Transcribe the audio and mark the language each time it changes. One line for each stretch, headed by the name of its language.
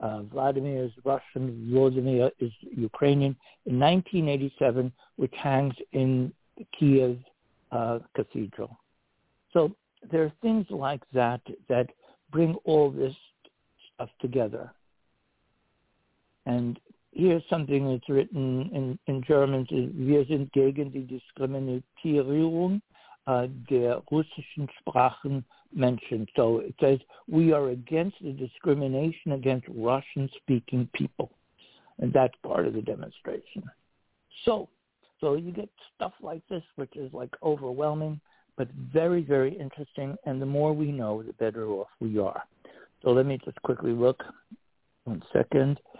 English: Vladimir is Russian, Vladimir is Ukrainian, in 1987, which hangs in Kiev Cathedral. So there are things like that that bring all this stuff together. And here's something that's written in German.
German: Wir sind gegen die Diskriminierung der russischen Sprachen Menschen.
English: So it says, we are against the discrimination against Russian-speaking people. And that's part of the demonstration. So you get stuff like this, which is like overwhelming, but very, very interesting. And the more we know, the better off we are. So let me just quickly look. 1 second.